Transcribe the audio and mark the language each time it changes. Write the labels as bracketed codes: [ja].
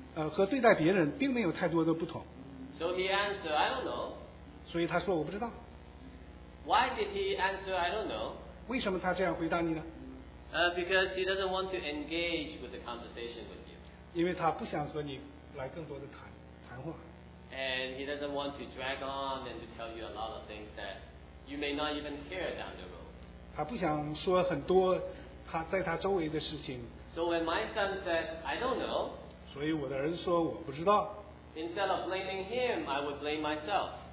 [zh] 和对待别人并没有太多的不同。 [en] So he answered, I don't know. [zh] 所以他说我不知道。 [en] Why did he answer, I don't know? [zh] 为什么他这样回答你呢？ [en] Because he doesn't want to engage with the conversation with you. [zh] 因为他不想和你来更多的谈话。 [en] And he doesn't want to drag on and to tell you a lot of things that you may not even care down the road. [zh] 他不想说很多他在他周围的事情。 [en] So when my son said, I don't know, [zh] 所以我的儿子说我不知道。 [en] Instead of blaming him, I would blame myself.